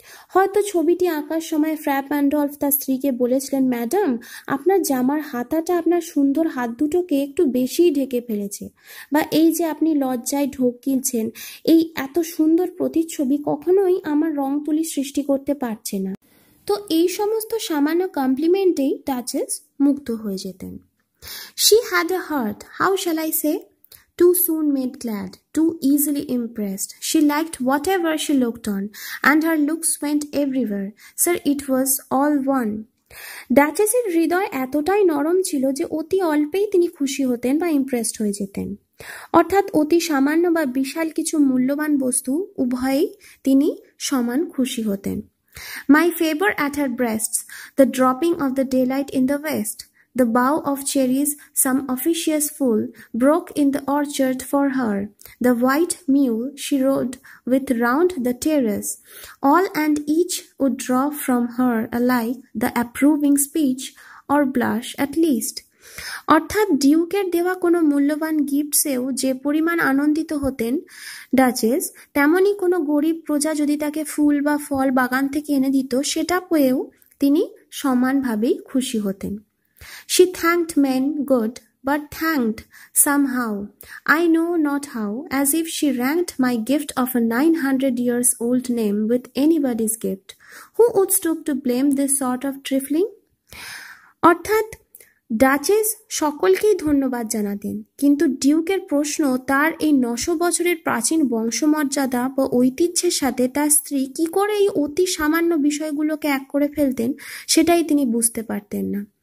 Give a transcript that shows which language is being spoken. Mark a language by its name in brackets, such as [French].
[Bangla] হয়তো ছবিটি আঁকার সময় ফ্র্যাপ অ্যান্ডলফ তার স্ত্রীকে বলেছিলেন, ম্যাডাম আপনার জামার হাতাটা আপনার সুন্দর হাত দুটোকে একটু বেশিই ঢেকে ফেলেছে, বা এই যে আপনি লজ্জায় ঢোকিয়েছেন এই এত সুন্দর প্রতিচ্ছবি কখনোই আমার রং তুলি সৃষ্টি করতে পারছে না। তো এই সমস্ত সামান্য কমপ্লিমেন্টেই ডাচেস মুগ্ধ হয়ে যেতেন। [English] She had a heart, how shall I say, Too soon made glad, too easily impressed. She liked whatever she looked on, and her looks went everywhere. Sir, it was all one. [Bangla] Duchess-এর হৃদয় এতটাই নরম ছিল যে অতি অল্পেই তিনি খুশি হতেন বা impressed হয়ে যেতেন। অর্থাৎ অতি সামান্য বা বিশাল কিছু মূল্যবান বস্তু উভয়ই তিনি সমান খুশি হতেন। [English] My favor at her breasts, the dropping of the daylight in the west. The bough of cherries, some officious fool, broke in the orchard for her. The white mule she rode with round the terrace. All and each would draw from her alike the approving speech or blush at least. [Bangla] অর্থাৎ ডিউকের দেওয়া কোনো মূল্যবান গিফটসেও যে পরিমাণ আনন্দিত হতেন duchess, তেমনই কোনো গরিব প্রজা যদি তাকে ফুল বা ফল বাগান থেকে এনে দিত সেটা পেয়েও তিনি সমানভাবেই খুশি হতেন। [English] She thanked men, good, but thanked somehow, I know not how, as if she ranked my gift of a 900 years old name with anybody's gift. Who would stoop to blame this sort of trifling? [Bangla] অর্থাৎ duchess সকলকেই ধন্যবাদ জানাতেন, কিন্তু ডিউকের প্রশ্ন তার এই 900 বছরের প্রাচীন বংশমর্যাদা বা ঐতিহ্যের সাথে তার স্ত্রী কী করে এই অতি সামান্য বিষয়গুলোকে এক করে ফেলতেন সেটাই তিনি বুঝতে পারতেন না।